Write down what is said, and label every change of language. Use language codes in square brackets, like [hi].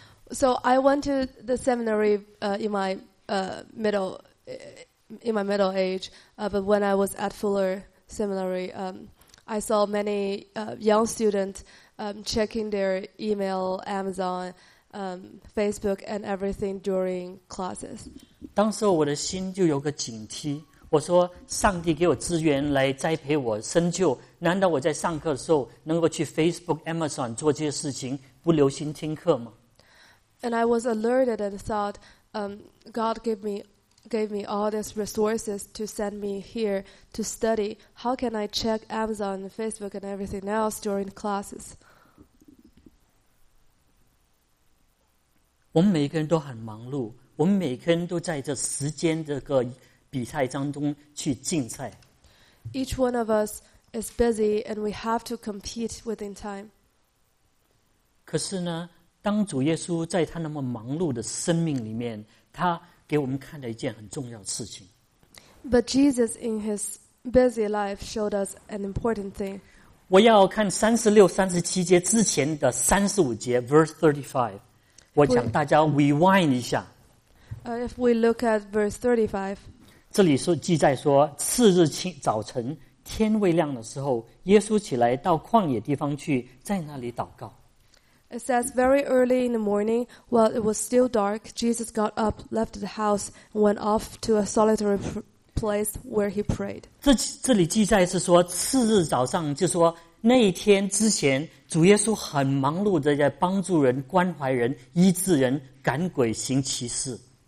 [en] So I went to the seminary in my middle age, but when I was at Fuller Seminary, I saw many young students checking their email, Amazon, Facebook, and everything during classes. [zh] 当时我的心就有个警惕。我说上帝给我资源来栽培我深究，难道我在上课的时候能够去 Facebook Amazon 做这些事情不留心听课吗？ [en] And I was alerted and thought God gave me all these resources to send me here to study. How can I check Amazon and Facebook and everything else during classes? [zh] 我们每个人都很忙碌，我们每个人都在这时间这个比赛当中去竞赛。 [en] Each one of us is busy, and we have to compete within time. [zh] 可是呢，当主耶稣在他那么忙碌的生命里面，他给我们看了一件很重要的事情。 [en] But Jesus in his busy life showed us an important thing. [zh] 我要看36-37节之前的35节 ， [en] verse 35。 [zh] 我讲大家 rewind 一下。 [en] If we look at verse 35. [zh] 这里说记载说，次日清早晨，天未亮的时候，耶稣起来到旷野地方去，在那里祷告。 [en] It says very early in the morning, while it was still dark, Jesus got up, left the house, and went off to a solitary place where he prayed. [zh] 这里记载是说，次日早上，就说那一天之前，主耶稣很忙碌的在帮助人、关怀人、医治人、赶鬼、行奇事。